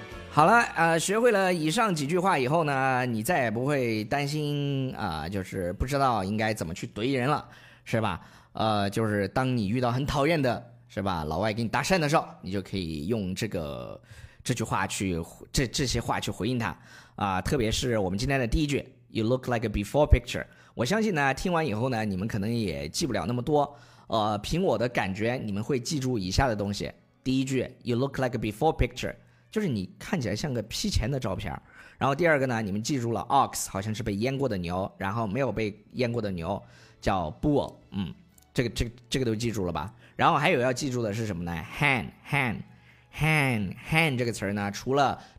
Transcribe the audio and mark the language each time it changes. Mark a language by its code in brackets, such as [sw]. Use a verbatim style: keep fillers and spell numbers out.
[zh] 好了，呃，学会了以上几句话以后呢，你再也不会担心啊、呃，就是不知道应该怎么去怼人了，是吧？呃，就是当你遇到很讨厌的，是吧？老外给你搭讪的时候，你就可以用这个这句话去这这些话去回应他啊、呃。特别是我们今天的第一句 ， [en] You look like a before picture。 [zh] 我相信呢，听完以后呢，你们可能也记不了那么多，呃，凭我的感觉，你们会记住以下的东西。第一句 [en] ，You look like a before picture。 [zh] 就是你看起来像个 P 前的照片。然后第二个呢，你们记住了 ox 好像是被阉过的牛，然后没有被阉过的牛叫 bull， 嗯，这个这个这个都记住了吧？然后还有要记住的是什么呢？ hang hang hang hang 这个词呢，除了